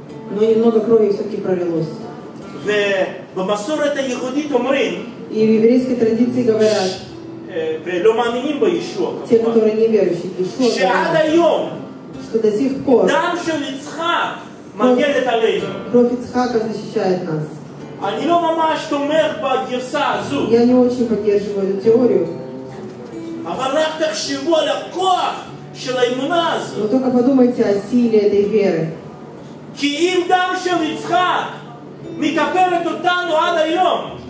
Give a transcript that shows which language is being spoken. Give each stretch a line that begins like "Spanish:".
Russian: Но немного крови все-таки пролилось. И в еврейской традиции говорят,
Hebrew: ולא מאמינים בישוע.
Russian: Те, которые не верующие, ישוע.
Hebrew: שעד היום.
Russian: Что до сих пор.
Hebrew: דם של יצחק מגנת עלינו.
Russian: Кровь Ицхака защищает нас.
Hebrew: אני לא ממש תומך בגרסה הזו.
Russian: Я не очень поддерживаю эту теорию.
Hebrew: אבל רק תחשבו על הכוח של האמונה הזו.
Russian: Но только подумайте о силе этой веры.
Hebrew: כי אם דם של יצחק מכפרת אותנו עד היום.